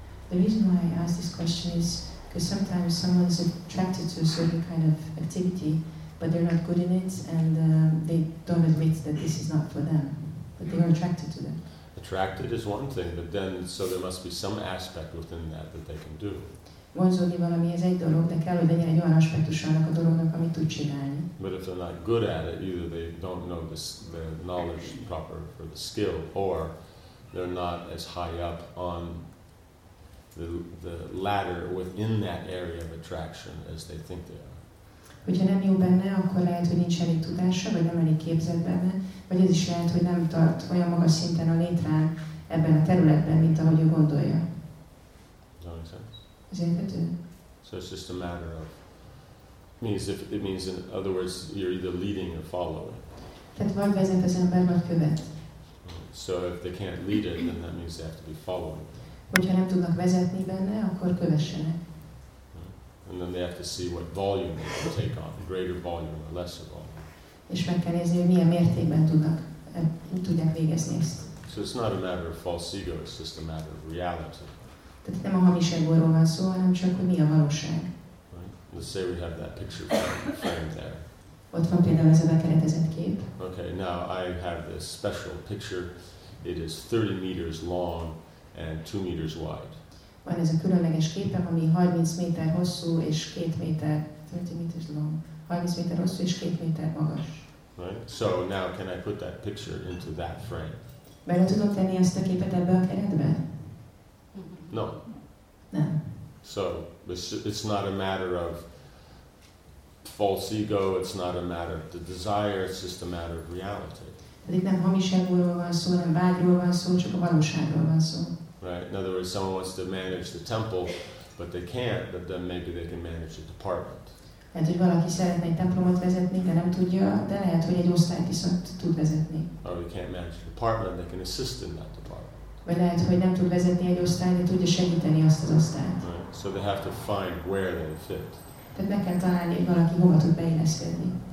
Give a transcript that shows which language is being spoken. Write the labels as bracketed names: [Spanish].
[English] The reason why I ask this question is because sometimes someone is attracted to a certain kind of activity, but they're not good in it, and they don't admit that this is not for them, but they are attracted to that. Attracted is one thing, but then so there must be some aspect within that that they can do. [Hungarian] Vonzódni valami ez egy dolog, de kell, hogy legyen egy olyan aspektus annak a dolognak, amit tud csinálni. [English] But if they're not good at it, either they don't know the knowledge proper for the skill, or they're not as high up on the ladder within that area of attraction as they think they are. [Hungarian] Hogyha nem jó benne, akkor lehet, hogy nincs elég tudása, vagy nem elég képzett benne, vagy ez is lehet, hogy nem tart olyan magas szinten a létrán ebben a területben, mint ahogy ő gondolja. [English] Does that make sense? [Hungarian] Ez érthető? [English] So it's just a matter of... It means, in other words, you're either leading or following. [Hungarian] Tehát vagy vezet az ember, vagy követ. [English] So if they can't lead it, then that means they have to be following. [Hungarian] Hogyha nem tudnak vezetni benne, akkor kövessenek. [English] And then they have to see what volume they can take on, greater volume or lesser volume. [Hungarian] És meg kell nézni, hogy milyen mértékben tudják végezni ezt. [English] So it's not a matter of false ego, it's just a matter of reality. [Hungarian] Tehát nem a hamis egóról van szó, hanem csak, hogy mi a valóság. [English] Right? Let's say we have that picture framed there. [Hungarian] Ott van például ez a bekeretezett kép. [English] Okay, now I have this special picture. It is 30 meters long and 2 meters wide. [Hungarian] Van ez a különleges képem, ami 30 méter hosszú és 2 méter, [English] 30 meters long, [Hungarian] 30 méter hosszú és 2 méter magas. [English] Right? So now can I put that picture into that frame? [Hungarian] Bele tudom tenni ezt a képet ebbe a keretbe? [English] No. [Hungarian] Nem. [English] So it's not a matter of false ego, it's not a matter of the desire, it's just a matter of reality. [Hungarian] Itt nem hamis egóról van szó, nem vágyról van szó, csak a valóságról van szó. [English] Right. In other words, someone wants to manage the temple, but they can't. But then maybe they can manage the department. [Hungarian] Lehet, hogy valaki szeretne egy templomot vezetni, de nem tudja, de lehet, hogy egy osztályt viszont tud vezetni. [English] Or they can't manage the department, they can assist in that department. [Hungarian] Vagy lehet, hogy nem tud vezetni egy osztályt, de tudja segíteni azt az osztályt. [English] Right. So they have to find where they fit. [Hungarian] Tehát meg kell találni, hogy valaki hova tud beilleszkedni.